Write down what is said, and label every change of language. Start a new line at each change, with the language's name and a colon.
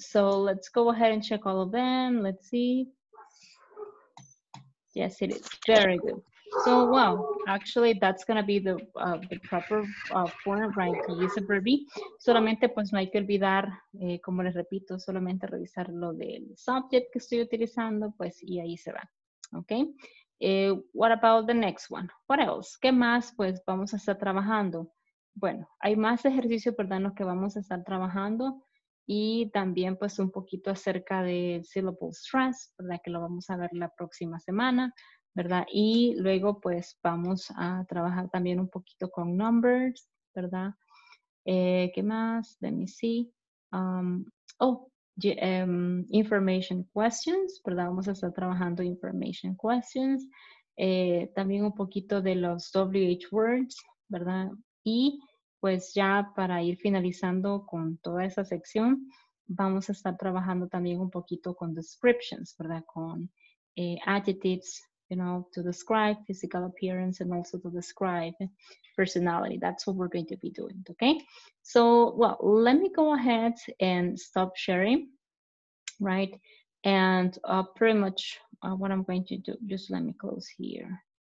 English: So let's go ahead and check all of them. Let's see. Yes, it is. Very good. So, well, actually, that's going to be the proper form, right, to use a verb.
Spanish: Solamente, pues, no hay que olvidar, como les repito, solamente revisar lo del subject que estoy utilizando, pues, y ahí se va.
English: Okay. What about the next one? What else?
Spanish: ¿Qué más, pues, vamos a estar trabajando? Bueno, hay más ejercicios, perdón, los que vamos a estar trabajando. Y también, pues, un poquito acerca de syllable stress, ¿verdad? Que lo vamos a ver la próxima semana, ¿verdad? Y luego, pues, vamos a trabajar también un poquito con numbers, ¿verdad? ¿Qué más?
English: Let me see. Information questions, ¿verdad?
Spanish: Vamos a estar trabajando
English: information questions.
Spanish: También un poquito de los WH words, ¿verdad? Y pues ya para ir finalizando con toda esa sección, vamos a estar trabajando también un poquito con descriptions, ¿verdad?
English: Con adjectives, you know, to describe physical appearance and also to describe personality. That's what we're going to be doing, okay? So, well, let me go ahead and stop sharing, right? And pretty much what I'm going to do, just let me close here.